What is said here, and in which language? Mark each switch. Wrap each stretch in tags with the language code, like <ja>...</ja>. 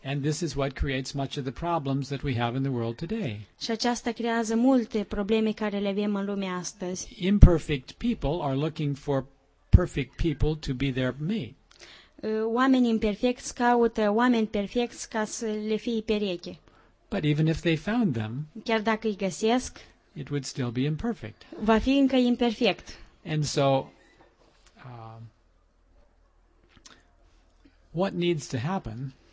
<en>And this is what creates much of the problems that we have in the world today.</en> <ro>Și aceasta creează multe probleme care le avem în lumea astăzi.</ro> <en>Imperfect people are looking for perfect people to be their mate.</en> <ro>Oamenii imperfecți caută oameni perfecți ca să le fie pereche.</ro> <en>But even if they found them,</en> <ro>chiar dacă îi găsesc,</ro> <en>it would still be imperfect.</en> <ro>Va fi încă imperfect.</ro> <en>And so what needs to happen?</en>